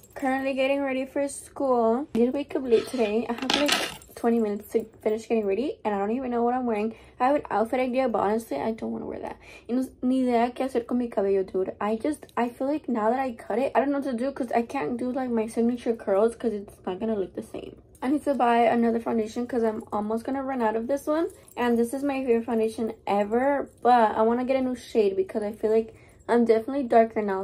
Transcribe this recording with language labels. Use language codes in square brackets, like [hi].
[en] Currently getting ready for school. I did wake up late today. I have like 20 minutes to finish getting ready and I don't even know what I'm wearing. I have an outfit idea, but honestly I don't want to wear that. [es] Ni idea que hacer con mi cabello, dude. [en] I feel like now that I cut it, I don't know what to do because I can't do like my signature curls because it's not gonna look the same. I need to buy another foundation because I'm almost gonna run out of this one. And this is my favorite foundation ever, but I want to get a new shade because I feel like I'm definitely darker now.